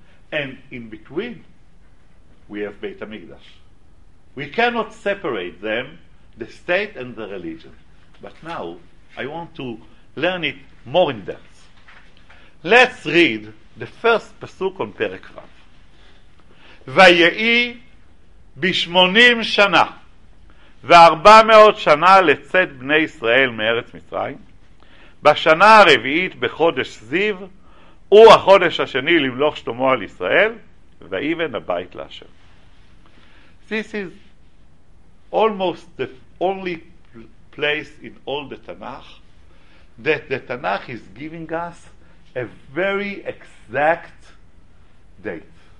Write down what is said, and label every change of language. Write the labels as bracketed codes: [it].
[en] And in between, we have Beit HaMikdash. We cannot separate them, the state and the religion. But now, I want to learn it more in depth. Let's read the first pasuk on Perek Vav. [he] Vayei bishmonim shana. וארבע מאות שנה לצאת בני ישראל מארץ מצרים, בשנה הרביעית בחודש זיו, הוא החודש השני למלוך שלמה על ישראל, ואיבן הבית לאשר. [en] This is almost the only place in all the Tanakh that the Tanakh is giving us a very exact date.